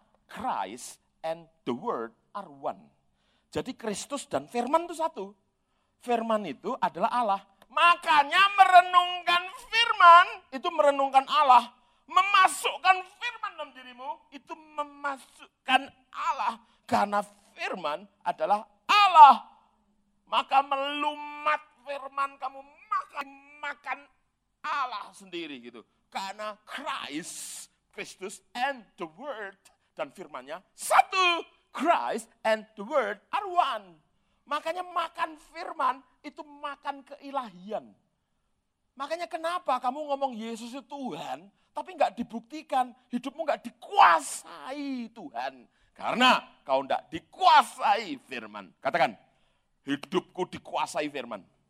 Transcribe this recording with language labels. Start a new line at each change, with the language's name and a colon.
English: Christ and the Word are one.
Indonesian: Jadi Kristus dan firman itu satu. Firman itu adalah Allah. Makanya merenungkan firman itu merenungkan Allah. Memasukkan firman dalam dirimu itu memasukkan Allah. Karena firman adalah Allah. Maka melumat firman kamu makan Allah sendiri gitu. Karena Christ, Kristus
English: and the Word
Indonesian: dan firmannya satu.
English: Christ and the Word are one.
Indonesian: Makanya makan firman itu makan keilahian. Makanya kenapa kamu ngomong Yesus itu Tuhan, tapi enggak dibuktikan, hidupmu enggak dikuasai Tuhan. Karena kau enggak dikuasai firman. Katakan, hidupku dikuasai firman.